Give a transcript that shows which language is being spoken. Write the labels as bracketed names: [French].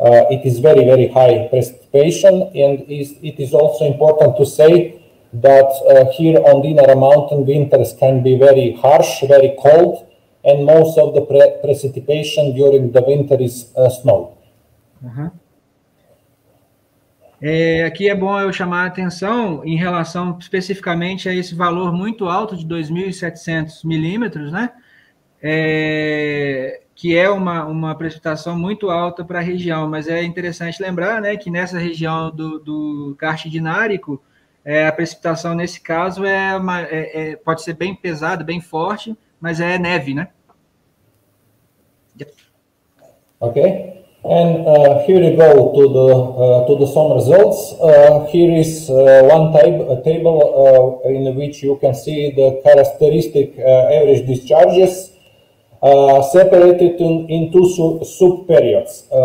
[English] It is very, very high precipitation, and it is also important to say that here on Dinara mountain, winters can be very harsh, very cold, and most of the precipitation during the winter is snow. [Portuguese] É, aqui é bom eu chamar a atenção em relação especificamente a esse valor muito alto de 2.700 milímetros, né? É, que é uma precipitação muito alta para a região, mas é interessante lembrar, né, que nessa região do Karst Dinárico, a precipitação nesse caso pode ser bem pesada, bem forte, mas é neve, né? [English] Ok. And here we go to the some results. Here is one table in which you can see the characteristic average discharges separated in two sub-periods.